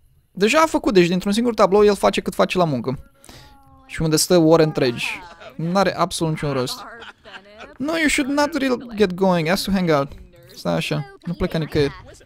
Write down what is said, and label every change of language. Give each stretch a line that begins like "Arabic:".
Romanian: Deja a făcut, deci dintr-un singur tablou el face cât face la muncă. Și unde stă ore întregi. N-are absolut niciun rost.
English: No, you should not really get going, I have to hang out.
Romanian: Stai așa, nu pleca nicăieri.